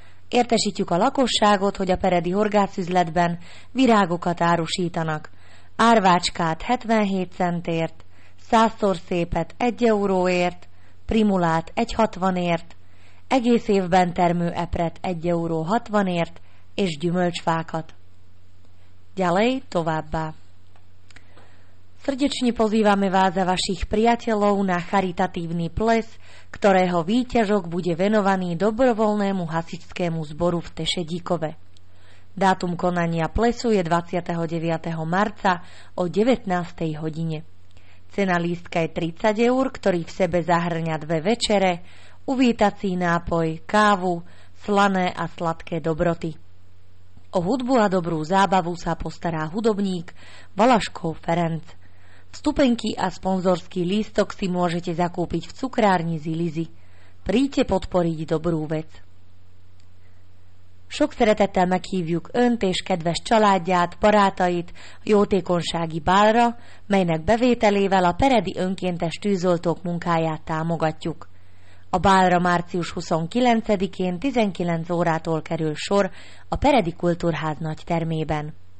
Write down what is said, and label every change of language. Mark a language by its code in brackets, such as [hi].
[hu] Értesítjük a lakosságot, hogy a peredi horgászüzletben virágokat árusítanak. Árvácskát 77 centért, százszor szépet 1 euróért, primulát 1,60-ért, egész évben termő epret 1 euró 60-ért és gyümölcsfákat. Gyalej továbbá. [sk] Srdečne pozývame vás a vašich priateľov na charitatívny ples, ktorého výťažok bude venovaný dobrovoľnému hasičskému zboru v Tešedíkove. Dátum konania plesu je 29. marca o 19. hodine. Cena lístka je 30 eur, ktorý v sebe zahŕňa dve večere, uvítací nápoj, kávu, slané a sladké dobroty. O hudbu a dobrú zábavu sa postará hudobník Valaško Ferenc. Vstupenky a sponzorský lístok si môžete zakúpiť v cukrárni Zilizi. Príďte podporiť dobrú vec. [hu] Sok szeretettel meghívjuk önt és kedves családját, barátait jótékonysági bálra, melynek bevételével a peredi önkéntes tűzoltók munkáját támogatjuk. A bálra március 29-én 19 órától kerül sor a peredi kultúrház nagy termében.